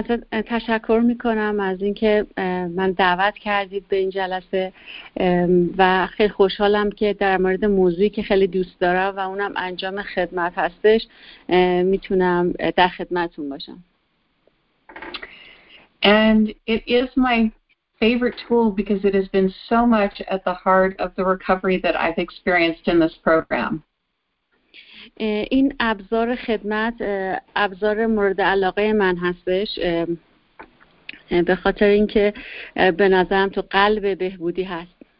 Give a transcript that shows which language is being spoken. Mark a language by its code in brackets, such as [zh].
[fa] تشکر میکنم از اینکه من دعوت کردید به این جلسه و خیلی خوشحالم که در مورد موضوعی که خیلی دوست دارم و اونم انجام خدمت هستش میتونم در خدمتتون باشم. [en] And it is my favorite tool because it has been so much at the heart of the recovery that I've experienced in this program. [fa] این ابزار خدمت ابزار مورد علاقه من هستش، به خاطر اینکه به نظرم تو قلب بهبودی هست.